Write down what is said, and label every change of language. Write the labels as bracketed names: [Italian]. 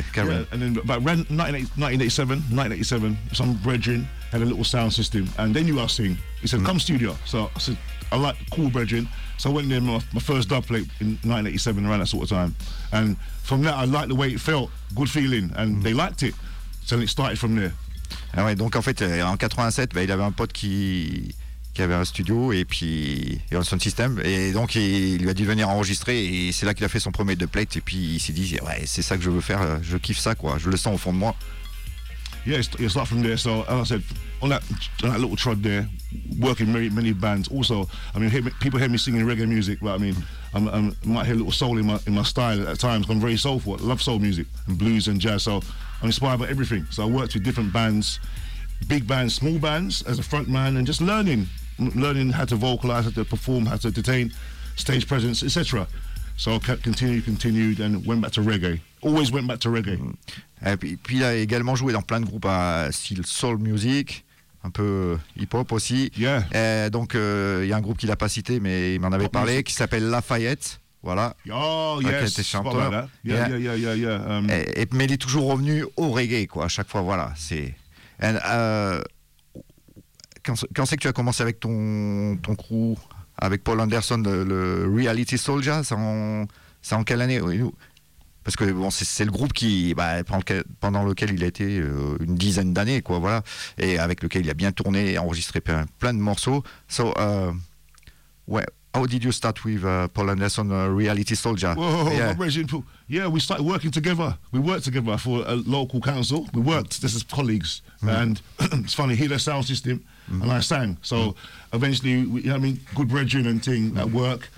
[English] About 1987, some brethren had a little sound system, and they knew I sing. He said, "Come studio." So I said, "I like cool brethren." So I went there my first dub plate in 1987, around that sort of time. And from that, I liked the way it felt, good feeling, and they liked it. So it started from there. [French] Ah ouais, donc en fait, en 87, il avait un pote qui avait un studio et puis il avait un sound system, et donc il lui a dit de venir enregistrer, et c'est là qu'il a fait son premier dubplate, et puis il s'est dit, ouais, c'est ça que je veux faire, je kiffe ça, quoi, je le sens au fond de moi. [English] Yeah, it's like from there. So as I said, on that little trod there, working many bands. Also, I mean, people hear me singing reggae music, but I mean, I might hear a little soul in my style at times. I'm very soulful, I love soul music and blues and jazz, so I'm inspired by everything. So I worked with different bands, big bands, small bands, as a front man, and just learning how to vocalize, how to perform, how to entertain, stage presence, etc. So I kept continued and went back to reggae. Always went back to reggae. [French] Et puis il a également joué dans plein de groupes à style soul music, un peu hip-hop aussi. [English] Yeah. [French] Et donc il y a un groupe qu'il a pas cité, mais il m'en avait parlé, qui s'appelle Lafayette. Voilà. [English] Oh yes. Okay, [French] t'es chanteur. [English] Yeah, yeah, yeah, yeah, yeah. [French] Mais il est toujours revenu au reggae, quoi, à chaque fois, voilà, c'est. And quand c'est que tu as commencé avec ton crew, avec Paul Anderson, le Reality Soldier, c'est en quelle année? Parce que bon, c'est le groupe qui, pendant lequel il a été une dizaine d'années, quoi, voilà, et avec lequel il a bien tourné et enregistré plein de morceaux. [English] So, how did you start with Paul Anderson, Reality Soldier? We started working together. We worked together for a local council. We worked just as colleagues. Mm. And it's funny, he had a sound system, and I sang. So eventually, good brethren and thing at work.